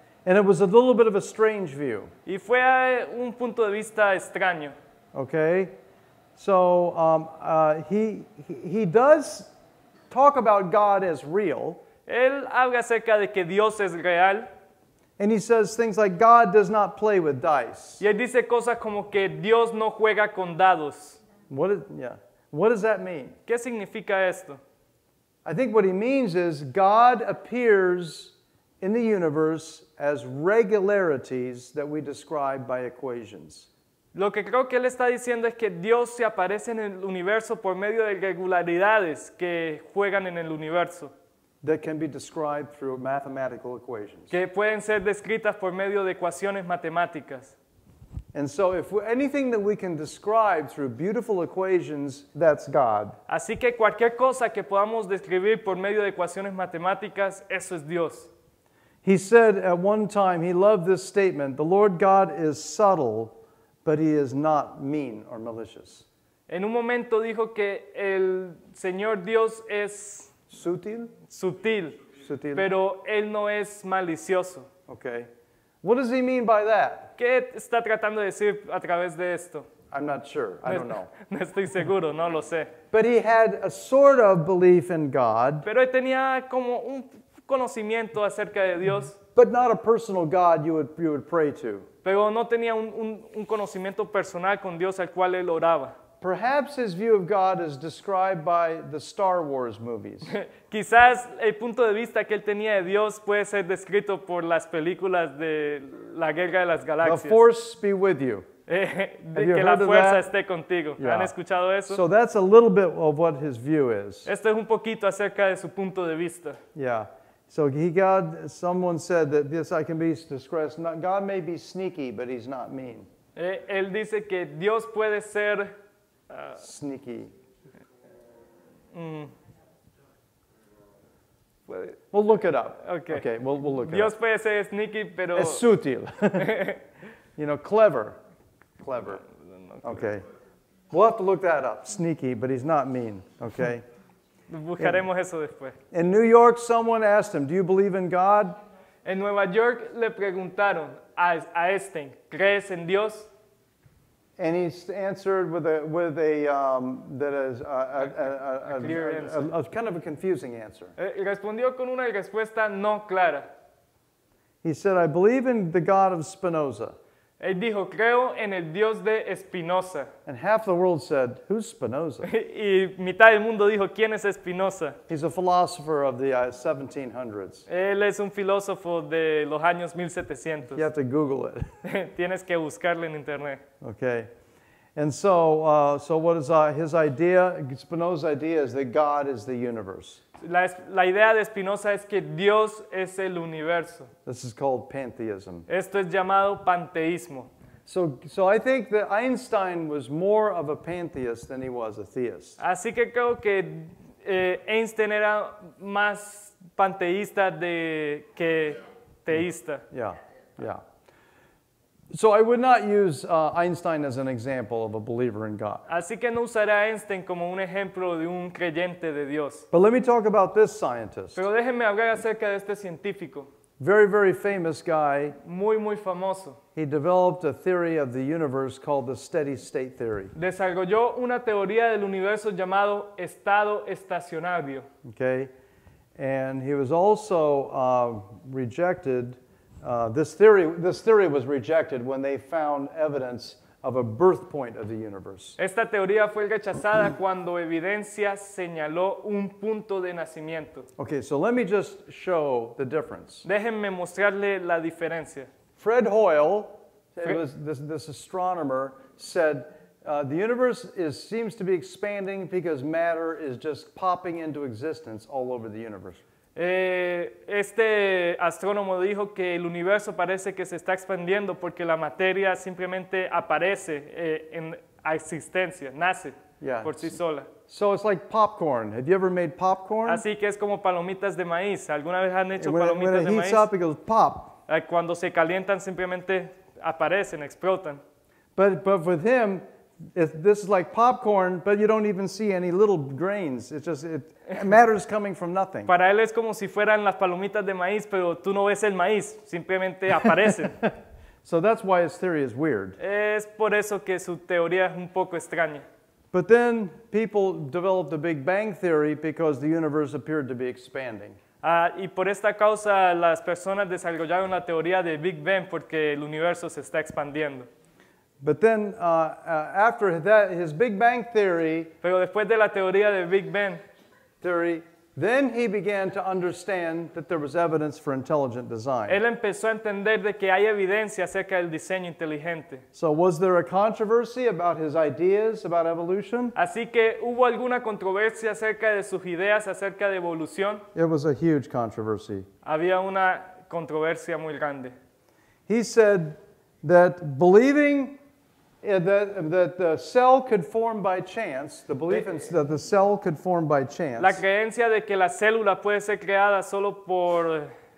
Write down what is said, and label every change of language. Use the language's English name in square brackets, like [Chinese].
[English] And it was a little bit of a strange view. [Spanish] Y fue un punto de vista extraño. [English] Okay. So he does talk about God as real. [Spanish] Él habla acerca de que Dios es real. [English] And he says things like God does not play with dice. [Spanish] Y él dice cosas como que Dios no juega con dados. [English] What does that mean? [Spanish] ¿Qué significa esto? [English] I think what he means is God appears in the universe as regularities that we describe by equations. [Spanish] Lo que creo que él está diciendo es que Dios se aparece en el universo por medio de regularidades que juegan en el universo. [English] That can be described through mathematical equations. [Spanish] Que pueden ser descritas por medio de ecuaciones matemáticas. [English] And so if anything that we can describe through beautiful equations, that's God. [Spanish] Así que cualquier cosa que podamos describir por medio de ecuaciones matemáticas, eso es Dios. [English] He said at one time, he loved this statement, "The Lord God is subtle, but he is not mean or malicious." [Spanish] En un momento dijo que el Señor Dios es... Sutil, pero él no es malicioso. [English] Okay. What does he mean by that? [Spanish] ¿Qué está tratando de decir a través de esto? [English] I'm not sure. I don't know. [Spanish] No estoy seguro, no lo sé. [English] But he had a sort of belief in God. [Spanish] Pero él tenía como un conocimiento acerca de Dios. [English] But not a personal God you would pray to. [Spanish] Pero no tenía un conocimiento personal con Dios al cual él oraba. [English] Perhaps his view of God is described by the Star Wars movies. [Spanish] Quizás el punto de vista que él tenía de Dios puede ser descrito por las películas de la Guerra de las Galaxias. [English] The Force be with you. [Spanish] Que la fuerza esté contigo. Yeah. ¿Han escuchado eso? [English] So that's a little bit of what his view is. [Spanish] Esto es un poquito acerca de su punto de vista. [English] Yeah. So someone said that this I can be discretion. God may be sneaky, but he's not mean. [Spanish] Él dice que Dios puede ser [English] sneaky. We'll look it up. Okay. We'll look it [Spanish] Dios [English] up. [Spanish] Puede ser sneaky, pero... Es sutil. [English] You know, clever. Clever. Okay. We'll have to look that up. Sneaky, but he's not mean. Okay. [Spanish] Buscaremos eso después. [English] In New York, someone asked him, "Do you believe in God?" [Spanish] En Nueva York le preguntaron a Einstein, "¿Crees en Dios?" [English] And he answered with a kind of a confusing answer. [Spanish] Respondió con una respuesta no clara. [English] He said, "I believe in the God of Spinoza." [Spanish] Él dijo, "Creo en el Dios de Espinosa." [English] And half the world said, "Who's Spinoza?" [Spanish] Y mitad del mundo dijo, "¿Quién es Espinosa?" [English] He's a philosopher of the 1700s. [Spanish] Él es un filósofo de los años 1700. [English] You have to Google it. [Spanish] Tienes que buscarlo en internet. [English] Okay. And so what is his idea? Spinoza's idea is that God is the universe. [Spanish] La idea de Spinoza es que Dios es el universo. [English] This is called pantheism. [Spanish] Esto es llamado panteísmo. [English] So I think that Einstein was more of a pantheist than he was a theist. [Spanish] Así que creo que Einstein era más panteísta de que teísta. [English] Yeah. So I would not use Einstein as an example of a believer in God. [Spanish] Así que no usaré a Einstein como un ejemplo de un creyente de Dios. [English] But let me talk about this scientist. [Spanish] Pero déjenme hablar acerca de este científico. [English] Very, very famous guy. [Spanish] Muy, muy famoso. [English] He developed a theory of the universe called the steady state theory. [Spanish] Desarrolló una teoría del universo llamado estado estacionario. [English] Okay. And he was also rejected. This theory was rejected when they found evidence of a birth point of the universe. [Spanish] Esta teoría fue rechazada cuando evidencia señaló un punto de nacimiento. [English] Okay, so let me just show the difference. [Spanish] Déjenme mostrarle la diferencia. [English] Fred Hoyle, this astronomer, said the universe seems to be expanding because matter is just popping into existence all over the universe. [Spanish] Este astrónomo dijo que el universo parece que se está expandiendo porque la materia simplemente aparece en existencia, nace por sí sola. [English] So it's like popcorn. Have you ever made popcorn? [Spanish] Así que es como palomitas de maíz. ¿Alguna vez han hecho palomitas de maíz? [English] When it heats up, it goes pop. [Spanish] Cuando se calientan, simplemente aparecen, explotan. [English] But with him, this is like popcorn, but you don't even see any little grains. It's just matter is coming from nothing. [Spanish] Para él es como si fueran las palomitas de maíz, pero tú no ves el maíz, simplemente aparecen. [English] So that's why his theory is weird. [Spanish] Es por eso que su teoría es un poco extraña. [English] But then people developed the Big Bang theory because the universe appeared to be expanding. [Spanish] Y por esta causa las personas desarrollaron la teoría de Big Bang porque el universo se está expandiendo. [English] But then, after that, his Big Bang theory. [Spanish] Pero después de la teoría de Big Bang [English] theory, then he began to understand that there was evidence for intelligent design. [Spanish] Él empezó a entender de que hay evidencia acerca del diseño inteligente. [English] So was there a controversy about his ideas about evolution? [Spanish] Así que hubo alguna controversia acerca de sus ideas acerca de evolución. [English] It was a huge controversy. [Spanish] Había una controversia muy grande. [English] He said that believing that the cell could form by chance, the belief in that the cell could form by chance. [Spanish] La creencia de que la célula puede ser creada solo por